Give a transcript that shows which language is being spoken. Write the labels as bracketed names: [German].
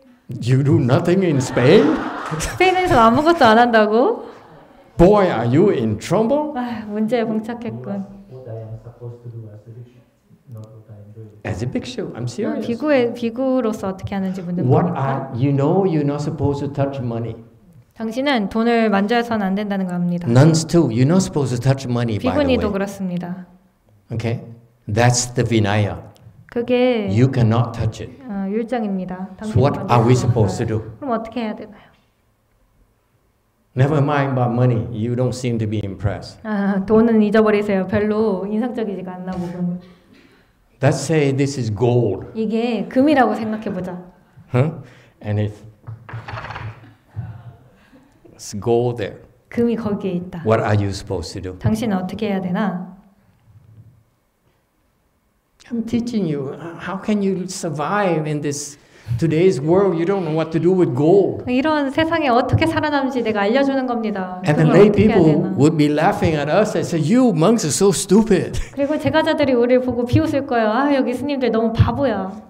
[English] You do nothing in Spain? [Korean] 스페인에서 아무것도 안 한다고? [English] Boy, are you in trouble? [Korean] 아, 문제에 봉착했군. [English] As a bhikshu, I'm serious. [Korean] 비구로서 어떻게 하는지 묻는 겁니까? [English] What are you know you're not supposed to touch money. [Korean] 당신은 돈을 만져서는 안 된다는 겁니다. [English] Nuns too, you're not supposed to touch money. [Korean] 비구니도 그렇습니다. [English] Okay, that's the vinaya. [Korean] 그게 [English] you cannot touch it. [Korean] 율정입니다. [English] So what are we supposed to do? [Korean] 그럼 어떻게 해야 되나요? [English] Never mind about money. You don't seem to be impressed. [Korean] 아, 돈은 잊어버리세요. 별로 인상적이지가 않나 보군. [English] Let's say this is gold. [Korean] 이게 금이라고 생각해 보자. [English] Huh? And it's gold there. [Korean] 금이 거기에 있다. [English] What are you supposed to do? [Korean] 당신은 어떻게 해야 되나? [English] I'm teaching you. How can you survive in this? Today's world, you don't know what to do with gold. [Korean] 이런 세상에 어떻게 살아남지 내가 알려주는 겁니다. [English] And the lay people would be laughing at us and say, "You monks are so stupid." [Korean] 그리고 제가자들이 우리를 보고 비웃을 거예요. 아 여기 스님들 너무 바보야.